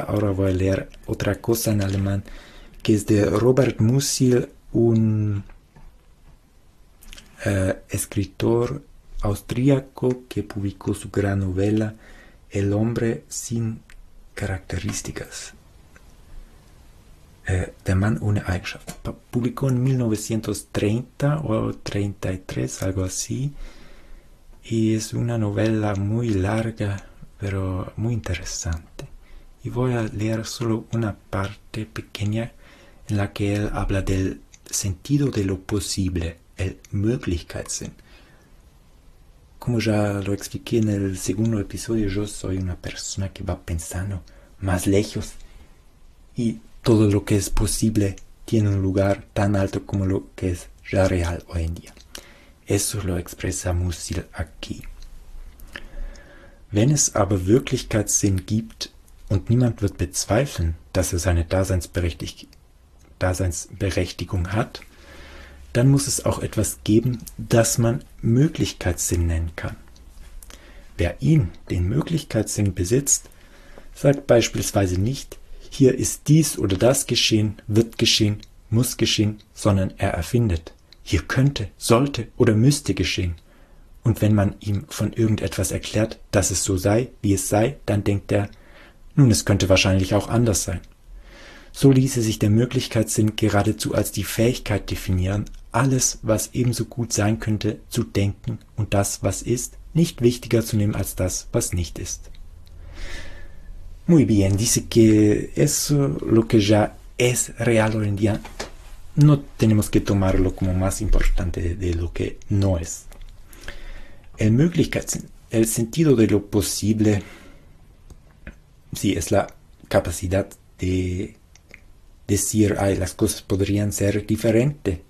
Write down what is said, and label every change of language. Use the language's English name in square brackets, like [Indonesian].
[Spanish] Ahora voy a leer otra cosa en alemán que es de Robert Musil, un escritor austríaco que publicó su gran novela El hombre sin características. [German] Der Mann ohne Eigenschaften. [Spanish] Publicó en 1930 o 33, algo así. Y es una novela muy larga, pero muy interesante. Y voy a leer solo una parte pequeña en la que él habla del sentido de lo posible, el Möglichkeitssinn. Como ya lo expliqué en el segundo episodio, yo soy una persona que va pensando más lejos y todo lo que es posible tiene un lugar tan alto como lo que es ya real hoy en día. Eso lo expresa Musil aquí. [German] Wenn es aber Wirklichkeitssinn gibt und niemand wird bezweifeln, dass es eine Daseinsberechtigung hat, dann muss es auch etwas geben, das man Möglichkeitssinn nennen kann. Wer ihn, den Möglichkeitssinn, besitzt, sagt beispielsweise nicht, hier ist dies oder das geschehen, wird geschehen, muss geschehen, sondern er erfindet, hier könnte, sollte oder müsste geschehen. Und wenn man ihm von irgendetwas erklärt, dass es so sei, wie es sei, dann denkt er, nun, es könnte wahrscheinlich auch anders sein. So ließe sich der Möglichkeitssinn geradezu als die Fähigkeit definieren, alles, was ebenso gut sein könnte, zu denken und das, was ist, nicht wichtiger zu nehmen als das, was nicht ist. [Spanish] Muy bien, dice que eso, lo que ya es real hoy en día, no tenemos que tomarlo como más importante de lo que no es. El Möglichkeitssinn, el sentido de lo posible, sí, es la capacidad de decir, ay, las cosas podrían ser diferentes.